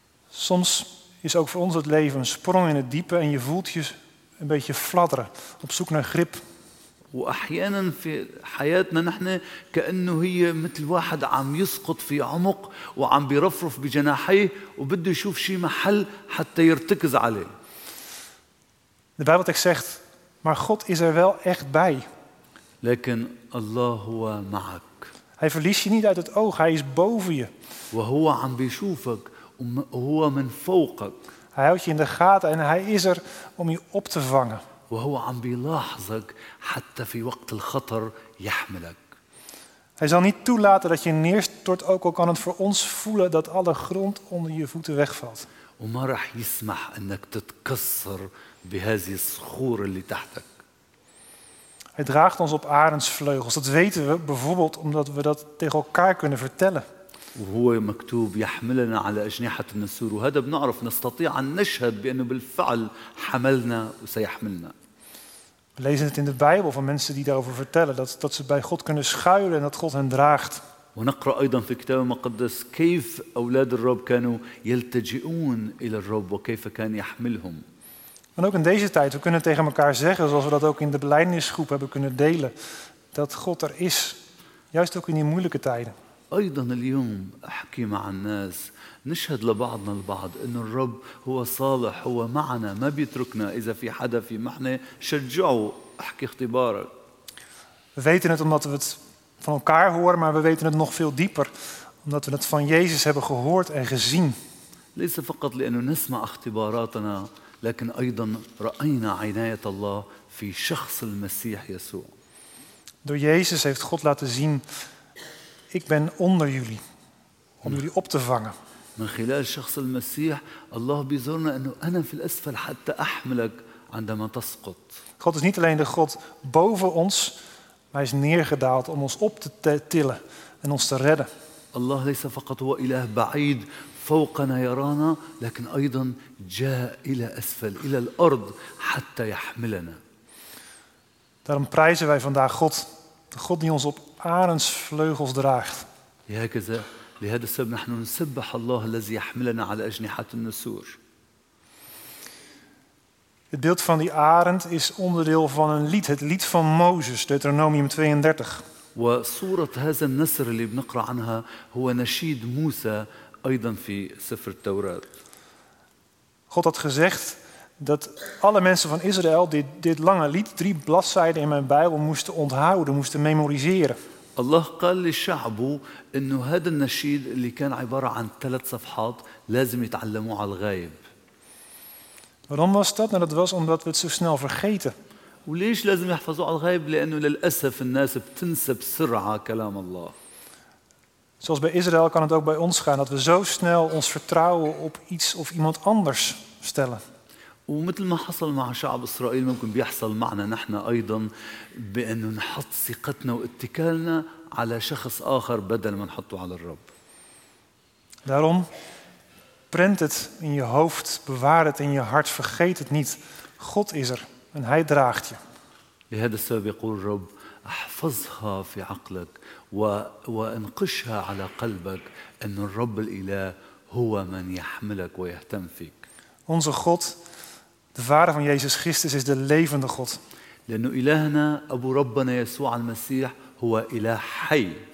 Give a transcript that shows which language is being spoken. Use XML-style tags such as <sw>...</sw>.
<nl>Soms is ook voor ons het leven een sprong in het diepe en je voelt je een beetje fladderen, op zoek naar grip.</nl> <ar>واحيانا في حياتنا نحن كانه هي مثل واحد عم يسقط في عمق وعم بيرفرف بجناحيه وبده يشوف شيء محل حتى يرتكز عليه.</ar> <nl>De Bijbeltekst zegt: "Maar God is er wel echt bij."</nl> <ar>لكن الله هو معك.</ar> <nl>Hij verliest je niet uit het oog, hij is boven je.</nl> <ar>وهو عم بيشوفك وهو من فوقك.</ar> <nl>Hij houdt je in de gaten en hij is er om je op te vangen.</nl> <ar>وهو عم بيلاحظك حتى في وقت الخطر يحملك.</ar> <nl>Hij zal niet toelaten dat je neerstort, ook al kan het voor ons voelen dat alle grond onder je voeten wegvalt.</nl> <ar>وما راح يسمح انك تتكسر بهذه الصخور اللي تحتك.</ar> <nl>Hij draagt ons op arends vleugels. Dat weten we bijvoorbeeld omdat we dat tegen elkaar kunnen vertellen.</nl> <ar>وهو مكتوب يحملنا على أجنحة النسور وهذا بنعرف نستطيع أن نشهد بأنه بالفعل حملنا وسيحملنا.</ar> <nl>We lezen het in de Bijbel van mensen die daarover vertellen dat ze bij God kunnen schuilen en dat God hen draagt.</nl> <ar>ونقرأ أيضا في الكتاب المقدس كيف أولاد الرب كانوا يلتجئون إلى الرب وكيف كان يحملهم.</ar> <nl>En ook in deze tijd we kunnen tegen elkaar zeggen zoals we dat ook in de belijdenisgroep hebben kunnen delen dat God er is juist ook in die moeilijke tijden.</nl> <ar>ايضا اليوم احكي مع الناس نشهد لبعضنا البعض ان الرب هو صالح هو معنا ما بيتركنا اذا في حدا في محنه شجعوا احكي اختبارك</ar> <nl>We weten het omdat we het van elkaar horen maar we weten het nog veel dieper omdat we het van Jezus hebben gehoord en gezien</nl> <ar>ليس فقط لانه نسمع اختباراتنا لكن ايضا راينا عنايه الله في شخص المسيح يسوع</ar> <nl>Door Jezus heeft God laten zien Ik ben onder jullie, om jullie op te vangen.</nl> <ar>من خلال شخص المسيح الله بيزورنا انه انا في الاسفل حتى احملك عندما تسقط.</ar> <nl>God is niet alleen de God boven ons, maar hij is neergedaald om ons op te tillen en ons te redden.</nl> <ar>الله ليس فقط هو اله بعيد فوقنا يرانا لكن ايضا جاء الى اسفل الى الارض حتى يحملنا.</ar> <nl>Daarom prijzen wij vandaag God, de God die ons op Arends vleugels draagt. Ja, kaza.</nl> <ar>لهذا السبب نحن نسبح الله الذي يحملنا على أجنحة النسور.</ar> <nl>Het beeld van die arend is onderdeel van een lied, het lied van Mozes, Deuteronomium 32.</nl> <ar>وصورة هذا النسر اللي بنقرأ عنها هو نشيد موسى أيضا في سفر التوراة.</ar> <nl>God had gezegd dat alle mensen van Israël dit lange lied, drie bladzijden in mijn Bijbel, moesten onthouden, moesten memoriseren.</nl> <ar>الله قال لشعبه انه هذا النشيد اللي كان عباره عن ثلاث صفحات لازم يتعلموه على الغايب.</ar> <nl>Waarom was dat? Nou, dat was omdat we het zo snel vergeten.</nl> <ar>وليش لازم يحفظوه على الغايب؟ لانه للاسف الناس بتنسى بسرعه كلام الله.</ar> <nl>Zoals bij Israël kan het ook bij ons gaan dat we zo snel ons vertrouwen op iets of iemand anders stellen.</nl> <ar>ومثل ما حصل مع شعب إسرائيل ممكن بيحصل معنا نحن أيضا بأنه نحط ثقتنا واتكالنا على شخص آخر بدل ما نحطه على الرب.</ar> <nl>Daarom print het in je hoofd, bewaar het in je hart, vergeet het niet. God is er en hij draagt je.</nl> <ar>لهذا السبب يقول الرب احفظها في عقلك وانقشها على قلبك أن الرب الإله هو من يحملك ويهتم فيك.</ar> <nl>Onze God, de Vader van Jezus Christus, is de levende God.</nl> <ar>لأن إلهنا أبو ربنا يسوع المسيح هو إله حي.</ar>